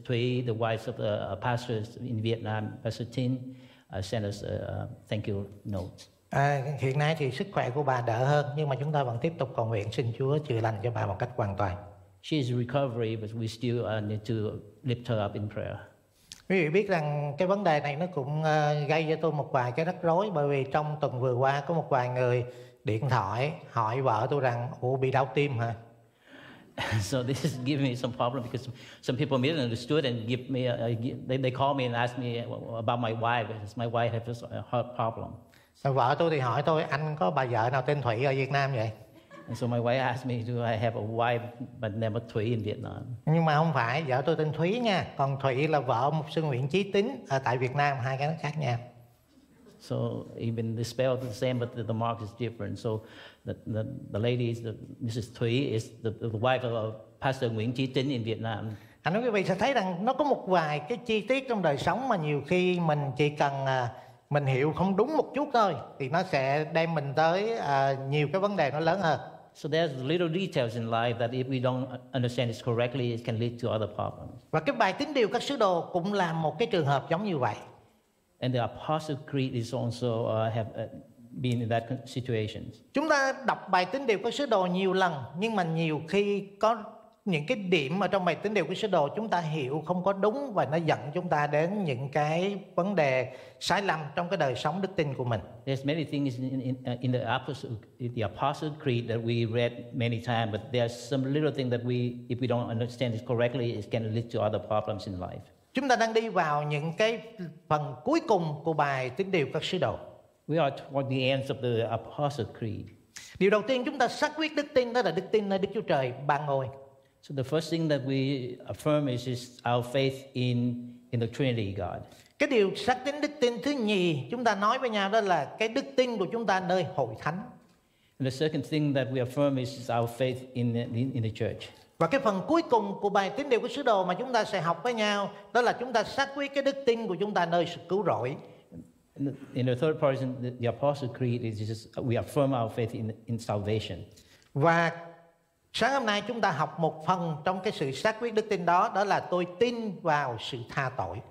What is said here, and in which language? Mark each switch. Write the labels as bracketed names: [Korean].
[English] Thủy, the wife of the pastor in Vietnam, Pastor Tín, sent us a thank you note. [Vietnamese] Hiện nay thì sức khỏe của bà đỡ hơn nhưng mà chúng ta vẫn tiếp tục cầu nguyện xin Chúa chữa lành cho bà một cách hoàn toàn. [English] She is recovering but we still need to lift her up in prayer. [Vietnamese] Quý vị biết rằng cái vấn đề này nó cũng gây cho tôi một vài cái rắc rối bởi vì trong tuần vừa qua có một vài người điện thoại hỏi vợ tôi rằng ủa bị đau tim hả? [English] So this is giving me some problem because some people misunderstood and give me they call me and ask me about my wife. Does my wife have a heart problem? [Vietnamese] So vợ tôi thì hỏi tôi anh có bà vợ nào tên Thủy ở Việt Nam vậy? [English] And so my wife asked me, do I have a wife but named Thủy in Vietnam? [Vietnamese] Nhưng mà không phải, vợ tôi tên Thủy nha. Còn Thủy là vợ mục sư Nguyễn Chí Tín ở tại Việt Nam, hai cái nó khác nhau. [English] So even the spell is the same, but the mark is different. So the lady, Mrs. Thủy, is the wife of Pastor Nguyễn Chí Tín in Vietnam. [Vietnamese] Anh nói quý vị sẽ thấy rằng nó có một vài cái chi tiết trong đời sống mà nhiều khi mình chỉ cần mình hiểu không đúng một chút thôi thì nó sẽ đem mình tới nhiều cái vấn đề nó lớn hơn. [English] So there's little details in life that if we don't understand it correctly, it can lead to other problems. [Vietnamese] Và cái bài tín điều các sứ đồ cũng là một cái trường hợp giống như vậy. [English] And the Apostle Creed is also have been in that situation. [Vietnamese] Chúng ta đọc bài tín điều của sứ đồ nhiều lần, nhưng mà nhiều khi có những cái điểm ở trong bài tín điều của sứ đồ chúng ta hiểu không có đúng và nó dẫn chúng ta đến những cái vấn đề sai lầm trong cái đời sống đức tin của mình. [English] There's many things in the Apostles' Creed that we read many times, but there's some little thing that we, if we don't understand it correctly, it can lead to other problems in life. [Vietnamese] Chúng ta đang đi vào những cái phần cuối cùng của bài tín điều các sứ đồ. [English] We are toward the end of the Apostles' Creed. [Vietnamese] Điều đầu tiên chúng ta xác quyết đức tin đó là đức tin nơi Đức Chúa Trời ba ngôi. [English] So the first thing that we affirm is our faith in the Trinity God. [Vietnamese] Cái điều xác tín đức tin thứ nhì chúng ta nói với nhau đó là cái đức tin của chúng ta nơi hội thánh. [English] And the second thing that we affirm is our faith in the church. [Vietnamese] Và cái phần cuối cùng của bài tín điều của sứ đồ mà chúng ta sẽ học với nhau đó là chúng ta xác quyết cái đức tin của chúng ta nơi sự cứu rỗi. [English] In the third part in the Apostles' Creed is just we affirm our faith in salvation. [Vietnamese] Và sáng hôm nay chúng ta học một phần trong cái sự xác quyết đức tin đó, đó là tôi tin vào sự tha tội.